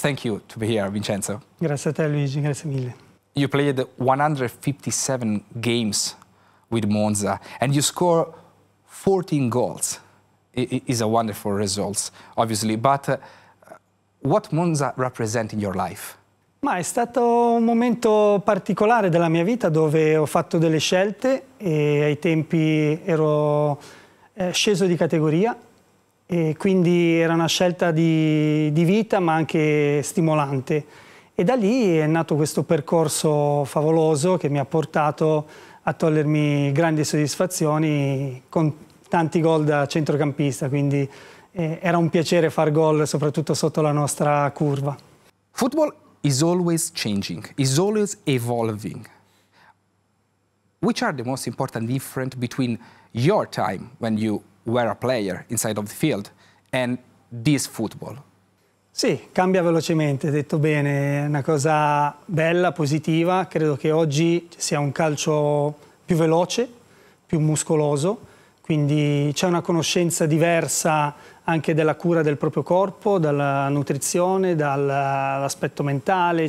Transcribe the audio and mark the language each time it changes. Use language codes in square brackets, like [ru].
[en] Thank you to be here, Vincenzo. [it] Grazie a te, Luigi. Grazie mille. [en] You played 157 games with Monza and you scored 14 goals. Is a wonderful result, obviously, but what Monza represent in your life? [it] Ma è stato un momento particolare della mia vita dove ho fatto delle scelte e ai tempi ero sceso di categoria e quindi era una scelta di vita ma anche stimolante e da lì è nato questo percorso favoloso che mi ha portato a togliermi grandi soddisfazioni con tanti gol da centrocampista, quindi era un piacere far gol soprattutto sotto la nostra curva. [en] Football is always changing, is always evolving. Which are the most important difference between your time when you were a player inside of the field and this football? [it] Sì, cambia velocemente, detto bene, è una cosa bella, positiva, credo che oggi sia un calcio più veloce, più muscoloso. Quindi c'è una conoscenza diversa anche della cura del proprio corpo, dalla nutrizione, dall'aspetto mentale.